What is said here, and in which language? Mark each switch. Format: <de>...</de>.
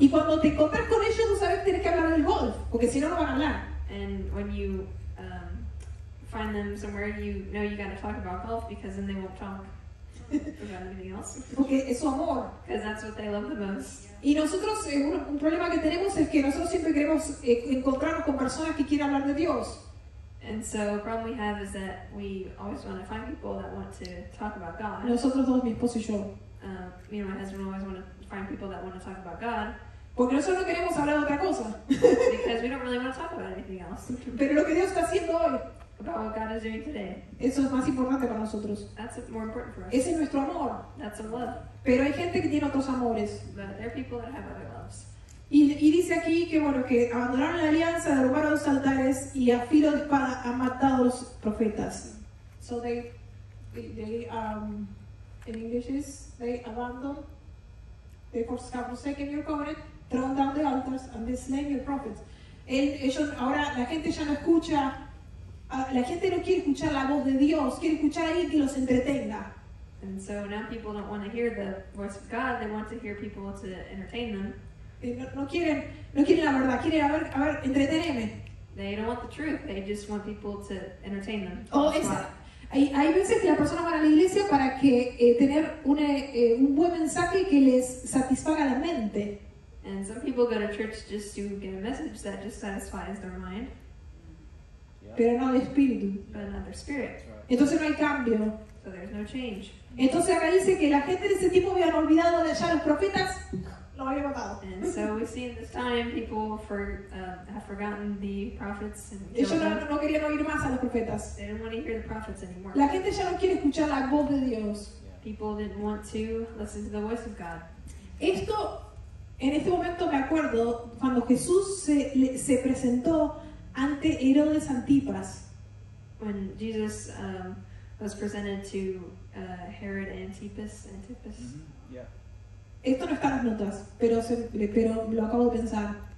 <es>Y cuando te encuentras con ellos, no sabes, tienes que hablar del golf, porque si no, no van a hablar.</es> <en>And when you find them somewhere, you know you got to talk about golf, because then they won't talk about anything else.</en> <es>Porque es su amor.</es> <en>Because that's what they love the most.</en> <es>Y nosotros, un problema que tenemos es que nosotros siempre queremos encontrarnos con personas que quieren hablar de Dios.</es> <en>And so a problem we have is that we always want to find people that want to talk about God.</en> <es>Nosotros dos, mi esposo y yo.</es> <en>Me and my husband always want to find people that want to talk about God.</en> <es>Porque nosotros no queremos hablar de otra cosa.</es> <en>Because we don't really want to talk about anything else.</en> <es>Pero lo que Dios está haciendo hoy.</es> <en>was doing today.</en> <es>Eso es más importante para nosotros.</es> <en>That's more important for us.</en> <es>Ese es nuestro amor.</es> <en>That's a love.</en> <es>Pero hay gente que tiene otros amores.</es> <en>But there are people that have other loves.</en> <es>Y dice aquí que bueno, que abandonaron la alianza, derrubaron los altares y a filo de espada han matado los profetas.</es> <en>So in English is they abandon, they forsaken your covenant, thrown down the altars and they slain your prophets.</en> <es>Ellos ahora la gente ya no escucha, la gente no quiere escuchar la voz de Dios, quiere escuchar a alguien que los entretenga.</es> <en>And so now people don't want to hear the voice of God, they want to hear people to entertain them.</en> <es>No quieren la verdad, quieren a ver entreténeme.</es> <en>They don't want the truth, they just want people to entertain them.</en> <es>Hay veces que las personas van a la iglesia para que tener un buen mensaje que les satisfaga la mente.</es> <en>And some people go to church just to get a message that just satisfies their mind.</en> <es>Pero no el espíritu.</es> <en>But not their spirit. Right.</en> <es>Entonces no hay cambio.</es> <en>So there's no change.</en> <es>Entonces acá dice que la gente de ese tiempo habían olvidado de allá los profetas. Lo había matado.</es> <en>And so we see in this time people have forgotten the prophets.</en> <es>Ellos no querían oír más a los profetas.</es> <en>They didn't want to hear the prophets anymore.</en> <es>La gente ya no quiere escuchar la voz de Dios.</es> <en>Yeah. People didn't want to listen to the voice of God.</en> <es>Esto, en este momento me acuerdo cuando Jesús se presentó ante Herodes Antipas.</es> <en>When Jesus was presented to Herod Antipas. Mm-hmm. Yeah.</en> <es>Esto no está en las notas, pero lo acabo de pensar.</es>